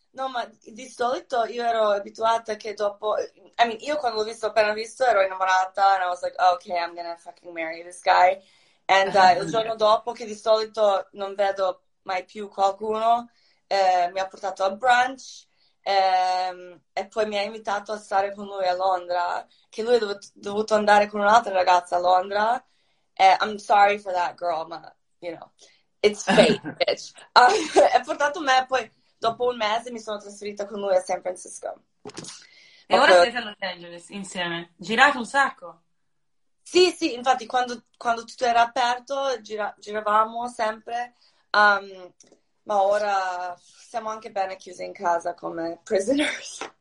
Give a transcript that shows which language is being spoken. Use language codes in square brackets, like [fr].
[it] No, ma di solito io ero abituata che dopo... [en] I mean, [it] io quando l'ho visto, appena visto, ero innamorata, [en] and I was like, oh, okay, I'm gonna fucking marry this guy. [it] And il giorno dopo, che di solito non vedo mai più qualcuno, mi ha portato a brunch, e poi mi ha invitato a stare con lui a Londra, che lui è dovuto andare con un'altra ragazza a Londra. [en] I'm sorry for that girl, ma, you know, it's fate, bitch. [it] Ha portato me, poi... Dopo un mese mi sono trasferita con lui a San Francisco. E ora siete a Los Angeles insieme. Girate un sacco. Sì, sì, infatti quando tutto era aperto giravamo sempre. Ma ora siamo anche bene chiusi in casa come prisoners.